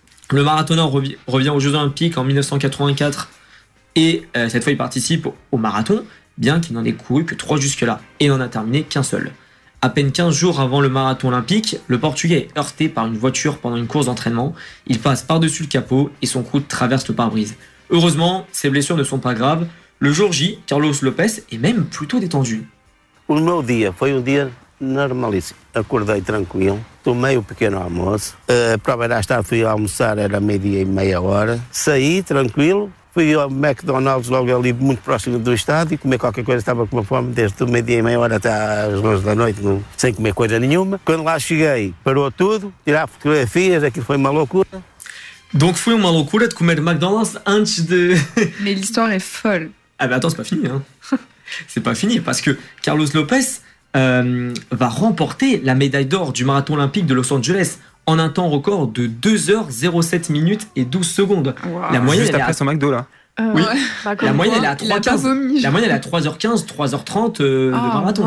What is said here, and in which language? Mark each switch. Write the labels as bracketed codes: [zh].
[fr] Le marathonneur revient aux Jeux Olympiques en 1984 et cette fois il participe au marathon, bien qu'il n'en ait couru que 3 jusque-là et n'en a terminé qu'un seul. À peine 15 jours avant le marathon olympique, le Portugais est heurté par une voiture pendant une course d'entraînement. Il passe par-dessus le capot et son coude traverse le pare-brise. Heureusement, ses blessures ne sont pas graves. Le jour J, Carlos Lopes est même plutôt détendu. [pt] O meu dia foi um dia normalíssimo. Acordei tranquilo, tomei o pequeno almoço. Para ver a estátua, fui almoçar, era meio-dia e meia hora. Saí tranquilo, fui ao McDonald's logo ali muito próximo do estádio, comer qualquer coisa, estava com uma fome desde o meio-dia e meia hora até às 11 da noite, não, sem comer coisa nenhuma. Quando lá cheguei, parou tudo, tirar fotografias, aquilo foi uma loucura. Donc foi uma loucura de comer McDonald's antes de... [fr] Mais l'histoire est folle. Ah ben attends, c'est pas fini, hein. C'est pas fini, parce que Carlos Lopes va remporter la médaille d'or du marathon olympique de Los Angeles en un temps record de 2h07 minutes et 12 secondes. Wow. La moyenne, juste après son McDo, là. Oui. La moyenne, elle est à 3h15, la moyenne, elle est à 3h15, 3h30 de marathon.